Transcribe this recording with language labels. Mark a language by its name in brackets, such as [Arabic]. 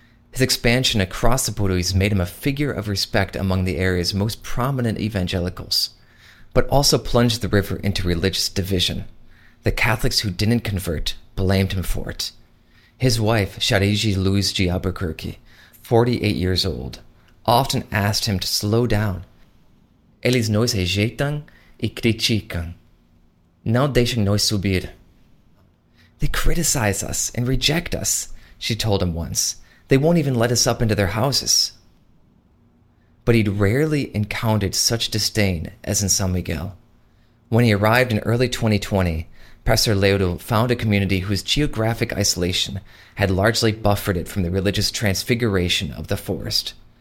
[English] His expansion across the Puruis made him a figure of respect among the area's most prominent evangelicals, but also plunged the river into religious division. The Catholics who didn't convert blamed him for it. His wife, Charigi Luis de Albuquerque, 48 years old, often asked him to slow down. [Portuguese] Eles nos rejeitam e criticam. Não deixam nós subir. [English] They criticize us and reject us, she told him once. They won't even let us up into their houses. But he'd rarely encountered such disdain as in San Miguel. When he arrived in early 2020, Pastor Leodo found a community whose geographic isolation had largely buffered it from the religious transfiguration of the forest.